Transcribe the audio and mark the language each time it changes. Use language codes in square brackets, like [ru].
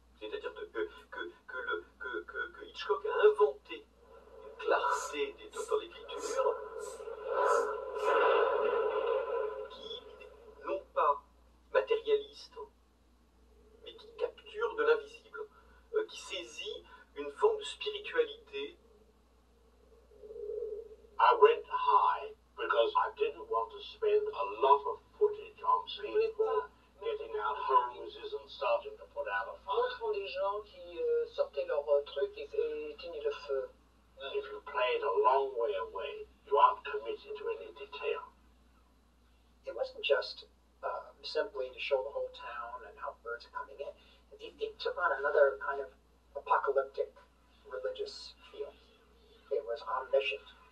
[fr] C'est-à-dire que Hitchcock a inventé une clarté dans l'écriture qui n'est non pas matérialiste, mais qui capture de l'invisible, qui saisit une forme de spiritualité. [en] I went high because I didn't want to spend a lot of footage on people getting out hoses and starting to put out a fire. [fr] Ce sont des gens qui sortaient leur truc et éteignaient le feu. [en] If you play it a long way away, you aren't committed to any detail. It wasn't just simply to show the whole town and how birds are coming in. It took on another kind of apocalyptic religious feel. It was omniscient.